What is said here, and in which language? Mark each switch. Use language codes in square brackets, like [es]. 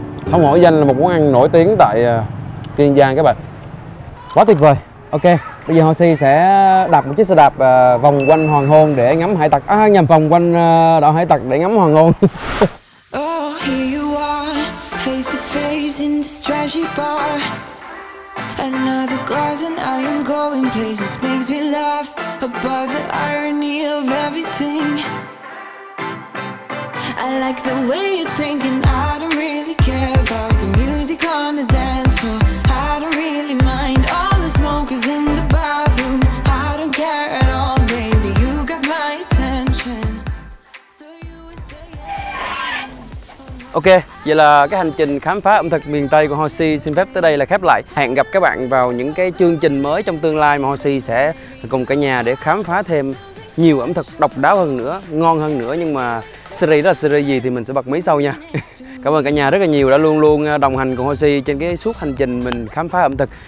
[vi] Không hổ danh là một món ăn nổi tiếng tại Kiên Giang các bạn. Quá tuyệt vời. Ok, bây giờ Hoshi sẽ đạp một chiếc xe đạp vòng quanh hoàng hôn để ngắm hải tặc. Nhầm, vòng quanh đảo hải tặc để ngắm hoàng hôn. [en] Oh, here you are, face to face in this trashy bar. Another glass and I am going places. Makes me laugh about the irony of everything. I like the way you're thinking. I don't really care about the music on the dance floor. I don't really mind all the smokers in the bathroom. I don't care at all, baby. You got my attention. So you would say yeah. Oh, no. [vi] Ok, vậy là cái hành trình khám phá ẩm thực miền Tây của Hoshi xin phép tới đây là khép lại. Hẹn gặp các bạn vào những cái chương trình mới trong tương lai mà Hoshi sẽ cùng cả nhà để khám phá thêm nhiều ẩm thực độc đáo hơn nữa, ngon hơn nữa. Nhưng mà series đó là series gì thì mình sẽ bật mí sau nha. Cảm ơn cả nhà rất là nhiều đã luôn luôn đồng hành cùng Hoshi trên cái suốt hành trình mình khám phá ẩm thực.